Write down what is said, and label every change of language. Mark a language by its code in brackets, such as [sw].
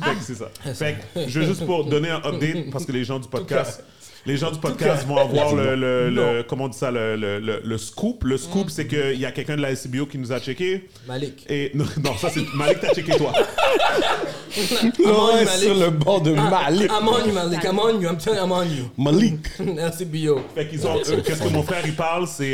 [fr] Fait que c'est ça. Fait que je veux juste pour donner un update, parce que les gens du podcast... Les gens du podcast vont avoir le scoop. Le scoop, c'est qu'il y a quelqu'un de la SBO qui nous a checké. Malik. Et, non, ça c'est Malik t'a checké toi. Non, c'est sur le bord de Malik. [en] I'm on you, I'm telling you, I'm on you. [fr] Malik. SBO. Fait qu'ils ont, qu'est-ce que mon frère il parle, c'est...